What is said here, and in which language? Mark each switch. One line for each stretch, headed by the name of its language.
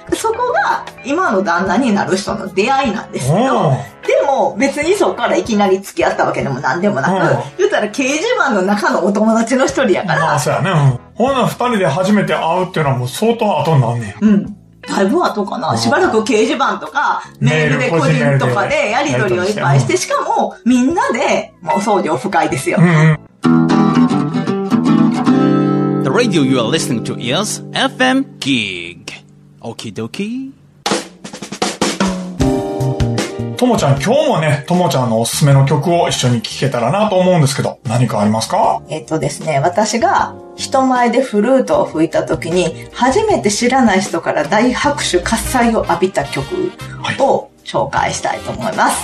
Japanese: そこが今の旦那になる人の出会いなんですけど、でも別にそこからいきなり付き合ったわけでも何でもなく、言ったら掲示板の中のお友達の一人やから。まあそうやね。ほんなら二人で初めて会うっていうのはもう相当後になんねん。うん。だいぶ後かな。しばらく掲示板とか、メールで個人とかでやり取りをいっぱいして、しかもみんなで、もう掃除オフ会ですよ。うんうん、
English: The radio you are listening to is FM Gig. Okie dokie.
Japanese: ともちゃん、今日もね、ともちゃんのおすすめの曲を一緒に聴けたらなと思うんですけど、何かありますか？ですね、私が人前でフルートを吹いた時に、初めて知らない人から大拍手喝采を浴びた曲を、はい、紹介したいと思います。